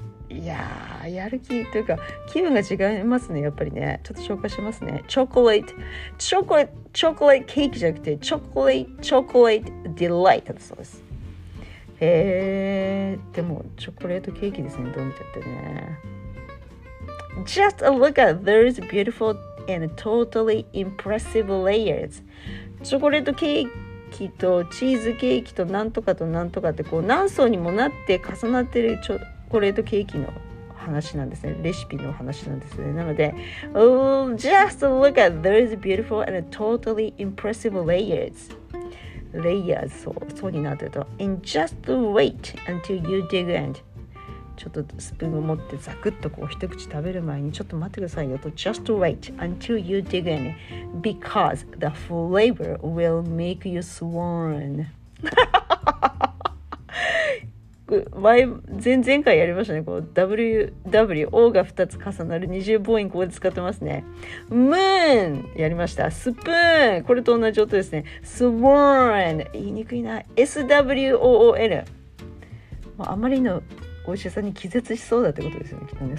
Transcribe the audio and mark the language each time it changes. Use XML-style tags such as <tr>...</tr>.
<ja>いやー、やる気というか気分が違いますね、やっぱりね。ちょっと紹介しますね。チョコレートケーキじゃなくてチョコレートディライトだそうです。でもチョコレートケーキですね、どう見ちゃってね。</ja> <en>Just a look at those beautifulAnd totally impressive layers.</en> <ja>チョコレートケーキとチーズケーキとなんとかとなんとかってこう何層にもなって重なってるチョコレートケーキの話なんですね、レシピの話なんですね。なので、</ja> <en>oh, Just look at those beautiful and totally impressive layers. Layers,</en> <ja>そうになってると。</ja> <en>And just wait until you dig in.</en> <ja>ちょっとスプーンを持ってザクッとこう一口食べる前にちょっと待ってくださいよと。</ja> <en>Just wait until you dig in because the flavor will make you swoon.</en> <ja>前回やりましたね、この WW O が2つ重なる二重母音、ここで使ってますね。ムーンやりました。スプーン、これと同じ音ですね。スワーン言いにくいな。SWOOL、 まあ、あまりのお医者さんに気絶しそうだってことですよね、きっとね。</ja>